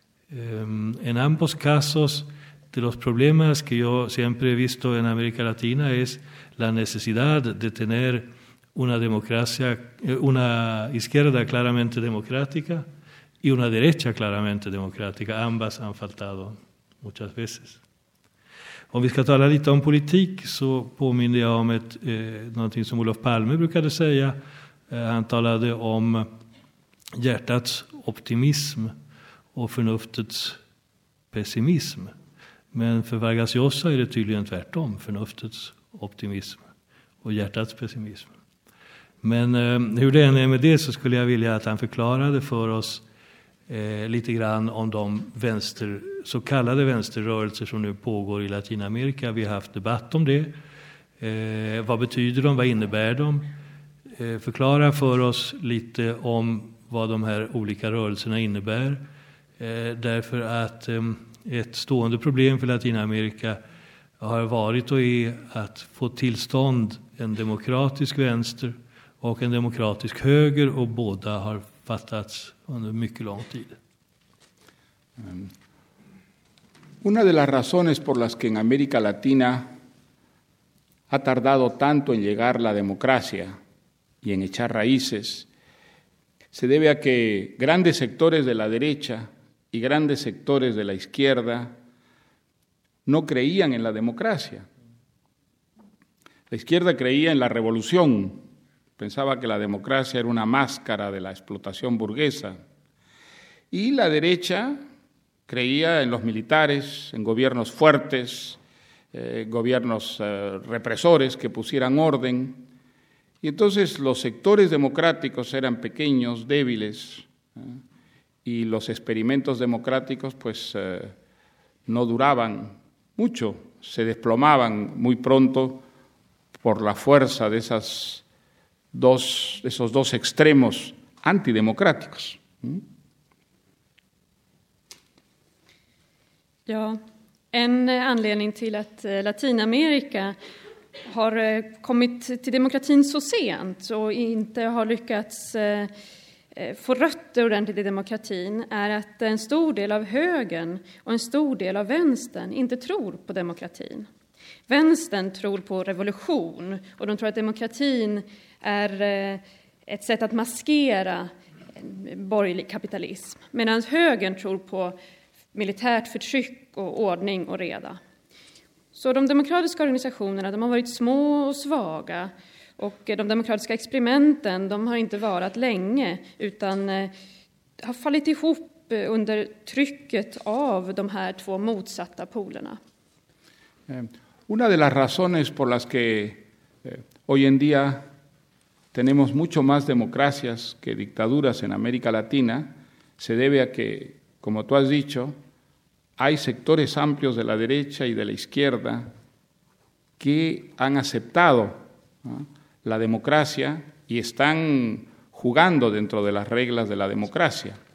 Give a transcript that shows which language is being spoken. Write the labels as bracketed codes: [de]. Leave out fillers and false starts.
[es] En ambos casos, de los problemas que yo siempre he visto en América Latina es la necesidad de tener una democracia, una izquierda claramente democrática y una derecha claramente democrática. Ambas han faltado muchas veces. [sv] Om vi ska tala lite om politik så påminner jag om någonting som Olof Palme brukade säga. Han talade om hjärtats optimism och förnuftets pessimism. Men för Vargas Llosa är det tydligen tvärtom, förnuftets optimism och hjärtats pessimism. Men hur det än är med det så skulle jag vilja att han förklarade för oss lite grann om de vänster, så kallade vänsterrörelser som nu pågår i Latinamerika. Vi har haft debatt om det. Vad betyder de? Vad innebär de? Förklara för oss lite om vad de här olika rörelserna innebär. Därför att ett stående problem för Latinamerika har varit och är att få tillstånd en demokratisk vänster och en demokratisk höger, och båda har fattats under mycket lång tid. [es] Una de las razones por las que en América Latina ha tardado tanto en llegar la democracia y en echar raíces se debe a que grandes sectores de la derecha y grandes sectores de la izquierda no creían en la democracia. La izquierda creía en la revolución. Pensaba que la democracia era una máscara de la explotación burguesa. Y la derecha creía en los militares, en gobiernos fuertes, gobiernos represores que pusieran orden. Y entonces los sectores democráticos eran pequeños, débiles, y los experimentos democráticos pues no duraban mucho, se desplomaban muy pronto por la fuerza de esos dos extremos antidemokratikos. [sv] Ja, en anledning till att Latinamerika har kommit till demokratin så sent och inte har lyckats få rötter ordentligt i demokratin är att en stor del av högern och en stor del av vänstern inte tror på demokratin. Vänstern tror på revolution och de tror att demokratin är ett sätt att maskera borgerlig kapitalism. Medan högern tror på militärt förtryck och ordning och reda. Så de demokratiska organisationerna, de har varit små och svaga. Och de demokratiska experimenten, de har inte varit länge. Utan har fallit ihop under trycket av de här två motsatta polerna. [es] Una de las razones por las que hoy en día tenemos mucho más democracias que dictaduras en América Latina se debe a que, como tú has dicho, hay sectores amplios de la derecha y de la izquierda que han aceptado la democracia y están jugando dentro de las reglas de la democracia.